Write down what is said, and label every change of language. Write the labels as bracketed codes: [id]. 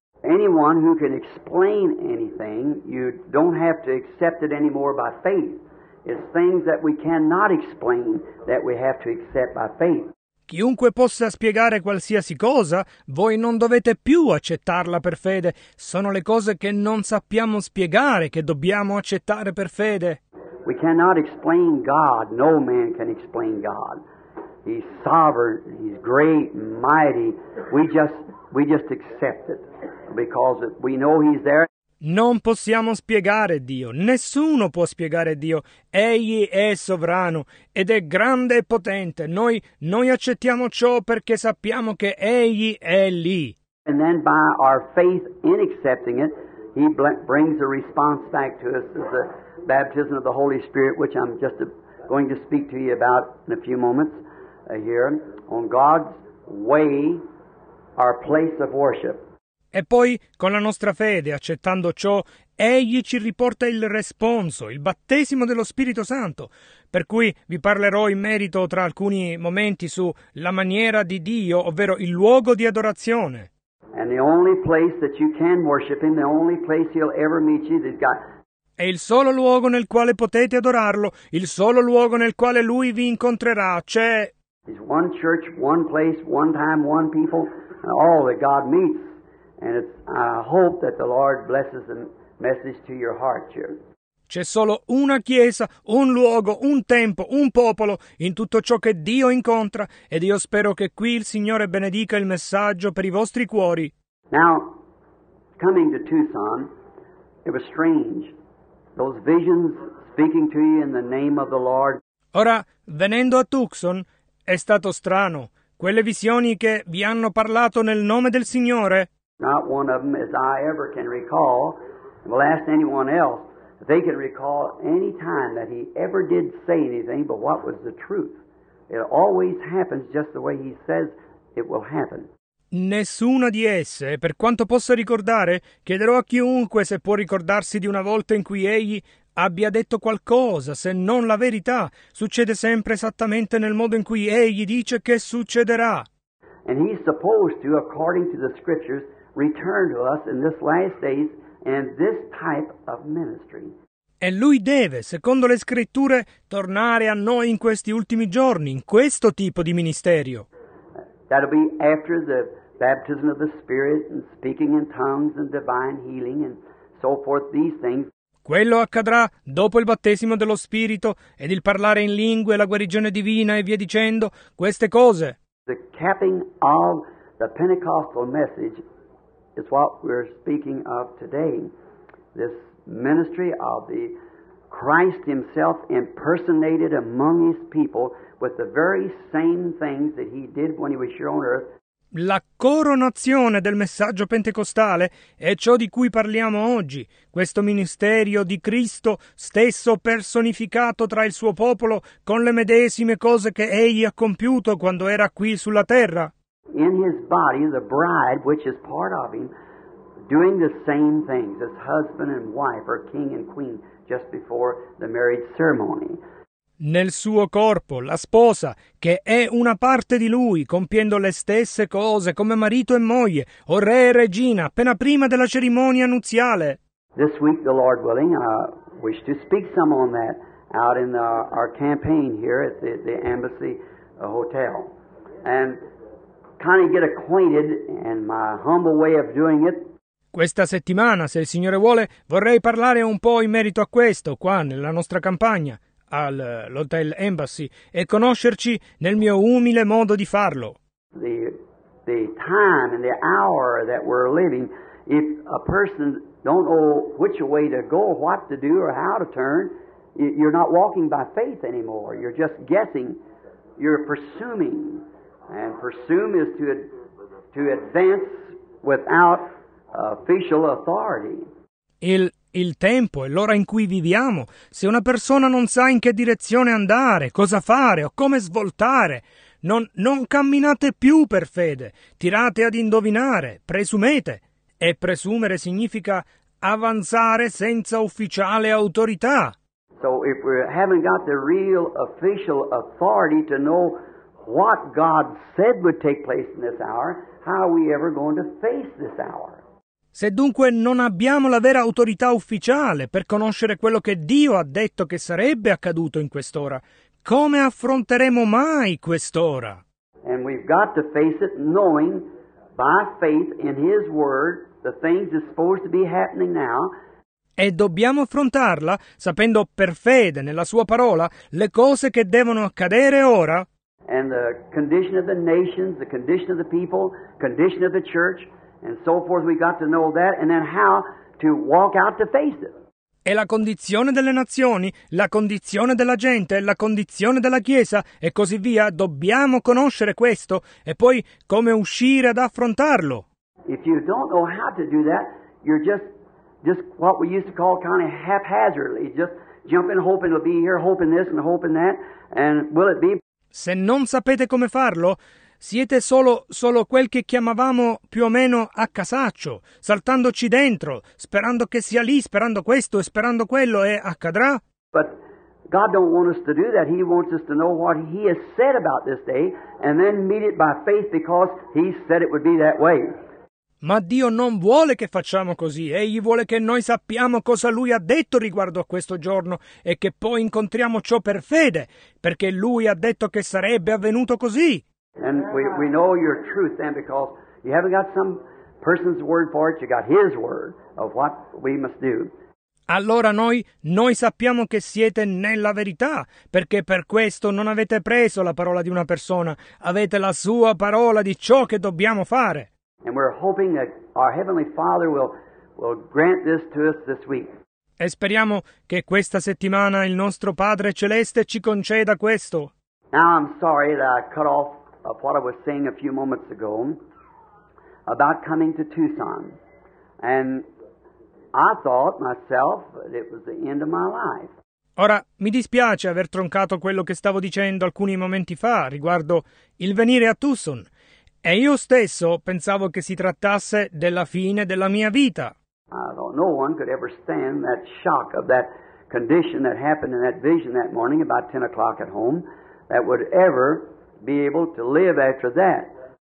[en] Anyone who can explain anything, you don't have to accept it anymore by faith. It's things that we cannot explain that we have to accept by faith. [it] Chiunque possa spiegare qualsiasi cosa, voi non dovete più accettarla per fede. Sono le cose che non sappiamo spiegare che dobbiamo accettare per fede. [en] We cannot explain God. No man can explain God. He's sovereign. He's great and mighty. We just accept it because we know He's there. [it] Non possiamo spiegare Dio. Nessuno può spiegare Dio. Egli è sovrano ed è grande e potente. Noi accettiamo ciò perché sappiamo che Egli è lì. [en] And then by our faith in accepting it, He brings a response back to us as a baptism of the Holy Spirit, which I'm just going to speak to you about in a few moments here, on God's way, our place of worship. [it] E poi, con la nostra fede, accettando ciò, Egli ci riporta il responso, il battesimo dello Spirito Santo, per cui vi parlerò in merito tra alcuni momenti su la maniera di Dio, ovvero il luogo di adorazione. [en] And the only place that you can worship Him, the only place He'll ever meet you, that God. [it] È il solo luogo nel quale potete adorarlo, il solo luogo nel quale Lui vi incontrerà, c'è. [en] It's one church, one place, one time, one people, and all that God meets. And it's, I hope that the Lord blesses the message to your heart here. [it] C'è solo una chiesa, un luogo, un tempo, un popolo in tutto ciò che Dio incontra. Ed io spero che qui il Signore benedica il messaggio per i vostri cuori. [en] Now, coming to Tucson, it was strange. Those visions speaking to you in the name of the Lord. [it] Ora, venendo a Tucson, è stato strano. Quelle visioni che vi hanno parlato nel nome del Signore. [en] Not one of them, as I ever can recall, will ask anyone else, they could recall any time that he ever did say anything but what was the truth. It always happens just the way he says it will happen. [it] Nessuna di esse, per quanto possa ricordare, chiederò a chiunque se può ricordarsi di una volta in cui egli abbia detto qualcosa, se non la verità, succede sempre esattamente nel modo in cui egli dice che succederà. [en] And he's supposed to, according to the scriptures, return to us in this last days and this type of ministry. [it] E lui deve, secondo le scritture, tornare a noi in questi ultimi giorni, in questo tipo di ministerio. [en] That'll be after the baptism of the Spirit and speaking in tongues and divine healing and so forth, these things. [it] Quello accadrà dopo il battesimo dello Spirito ed il parlare in lingue, la guarigione divina e via dicendo, queste cose. [en] The capping of the Pentecostal message is what we're speaking of today. This ministry of the Christ himself impersonated among his people with the very same things that he did when he was here on earth. [it] La coronazione del messaggio pentecostale è ciò di cui parliamo oggi, questo ministerio di Cristo stesso personificato tra il suo popolo con le medesime cose che egli ha compiuto quando era qui sulla terra. [en] In his body, the bride, which is part of him, doing the same things as husband and wife or king and queen just before the marriage ceremony. [it] Nel suo corpo, la sposa, che è una parte di lui, compiendo le stesse cose come marito e moglie, o re e regina, appena prima della cerimonia nuziale. [en] This week, the Lord willing, I wish to speak some on that out in our campaign here at the Embassy Hotel. And kind of get acquainted in my humble way of doing it. [it] Questa settimana, se il Signore vuole, vorrei parlare un po' in merito a questo, qua nella nostra campagna. All'Hotel Embassy e conoscerci nel mio umile modo di farlo. [en] The time and the hour that we're living, if a person don't know which way to go, what to do or how to turn, you're not walking by faith anymore. You're just guessing. You're presuming. And presume is to advance without official authority. [it] Il tempo e l'ora in cui viviamo, se una persona non sa in che direzione andare, cosa fare o come svoltare, non camminate più per fede, tirate ad indovinare, presumete. E presumere significa avanzare senza ufficiale autorità. [en] So if we haven't got the real official authority to know what God said would take place in this hour, how are we ever going to face this hour? [it] Se dunque non abbiamo la vera autorità ufficiale per conoscere quello che Dio ha detto che sarebbe accaduto in quest'ora, come affronteremo mai quest'ora? [en] And we've got to face it knowing by faith in His Word the things that's supposed to be happening now. [it] E dobbiamo affrontarla sapendo per fede nella Sua parola le cose che devono accadere ora. [en] And the condition of the nations, the condition of the people, condition of the church. And so forth, we got to know that, and then how to walk out to face it. [it] E la condizione delle nazioni, la condizione della gente, la condizione della Chiesa, e così via, dobbiamo conoscere questo, e poi come uscire ad affrontarlo. [en] If you don't know how to do that, you're just what we used to call kind of haphazardly, just jumping, hoping it'll be here, hoping this and hoping that, and will it be? [it] Se non sapete come farlo, siete solo quel che chiamavamo più o meno a casaccio, saltandoci dentro, sperando che sia lì, sperando questo e sperando quello, e accadrà. [en] But God don't want us to do that. He wants us to know what He has said about this day and then meet it by faith because He said it would be that way. [it] Ma Dio non vuole che facciamo così. Egli vuole che noi sappiamo cosa Lui ha detto riguardo a questo giorno e che poi incontriamo ciò per fede, perché Lui ha detto che sarebbe avvenuto così. [en] And we know your truth then because you haven't got some person's word for it, you got His word of what we must do. [it] Allora noi sappiamo che siete nella verità, perché per questo non avete preso la parola di una persona, avete la sua parola di ciò che dobbiamo fare. [en] And we're hoping that our Heavenly Father will grant this to us this week. [it] E speriamo che questa settimana il nostro Padre Celeste ci conceda questo. [en] Now I'm sorry that I cut off of what I was saying a few moments ago about coming to Tucson. And I thought myself that it was the end of my life. [it] Ora, mi dispiace aver troncato quello che stavo dicendo alcuni momenti fa riguardo il venire a Tucson. E io stesso pensavo che si trattasse della fine della mia vita. [en] I thought no one could ever stand that shock of that condition that happened in that vision that morning about 10 o'clock at home that would ever be able to live after that.